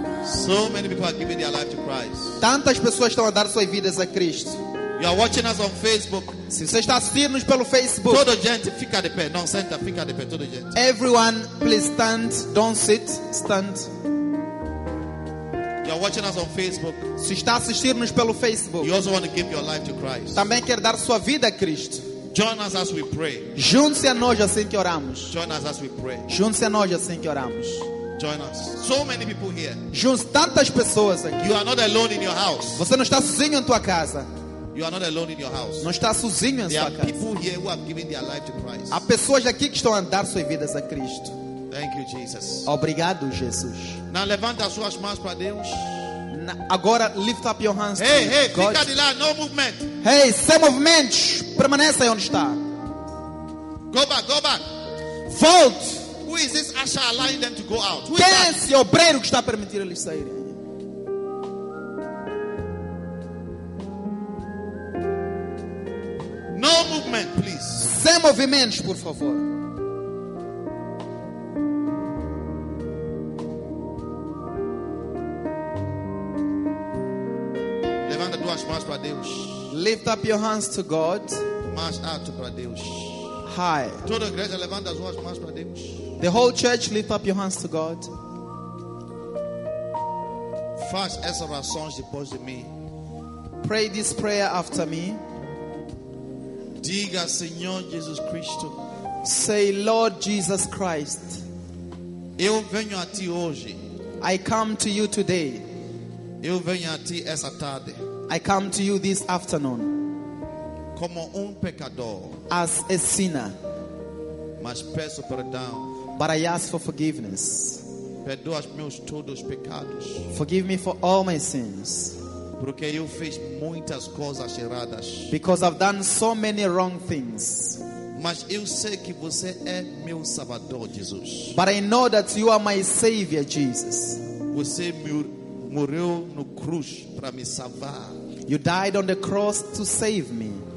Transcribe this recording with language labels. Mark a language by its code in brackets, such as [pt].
[en] So many people are giving their life to Christ. [pt] Tantas pessoas estão a dar suas vidas a Cristo. [en] You are watching us on Facebook. [pt] Se você está assistindo-nos pelo Facebook. Todo gente, fica de pé. [en] Don't sit, [pt] fica de pé. Todo gente. [en] Everyone, please stand. Don't sit. Stand. You are watching us on Facebook. [pt] Se está assistindo-nos pelo Facebook. [en] You also want to give your life to Christ. [pt] Também quer dar sua vida a Cristo. [en] Join us as we pray. [pt] Junte-se a nós assim que oramos. [en] Join us as we pray. [pt] Junte-se a nós assim que oramos. [en] Join us. So many people here. [pt] Juntos tantas pessoas aqui. [en] You are not alone in your house. [pt] Você não está sozinho em tua casa. [en] You are not alone in your house. [pt] Não está sozinho em [en] there [pt] sua [en] are [pt] casa. [en] People here who have given their life to Christ. [pt] Há pessoas aqui que estão a dar suas vidas a Cristo. [en] Thank you, Jesus. [pt] Obrigado, Jesus. Now levanta as suas mãos para Deus. [en] Agora lift up your hands. Hey, to hey, God. [pt] Fica de lá, [en] no movement. [pt] Hey, sem movimento. Permaneça onde está. [en] Go back, go back. [pt] Volte. [en] Who is this usher allowing them to go out? [pt] Quem é esse obreiro que está a permitir eles saírem? [en] No movement, please. [pt] Sem movimentos, por favor. levanta duas mãos para Deus. [en] Lift up your hands to God. [pt] Mãos alto para Deus. [en] High. [pt] Toda a igreja levanta as duas mãos para Deus. [en] The whole church lift up your hands to God. [pt] Faz essa oração depois de mim. [en] Pray this prayer after me. [pt] Diga Senhor Jesus Cristo. [en] Say Lord Jesus Christ. [pt] Eu venho a ti hoje. [en] I come to you today. [pt] Eu venho a ti essa tarde. [en] I come to you this afternoon. [pt] Como pecador. [en] As a sinner. [pt] Mas peço perdão. [en] But I ask for forgiveness. [pt] Perdoa os meus todos pecados. [en] Forgive me for all my sins. [pt] Porque eu fiz muitas coisas erradas. [en] Because I've done so many wrong things. [pt] Mas eu sei que você é meu Salvador, Jesus. [en] But I know that you are my Savior, Jesus. [pt] Você morreu no cruz para me salvar. [en] You died on the cross to save me.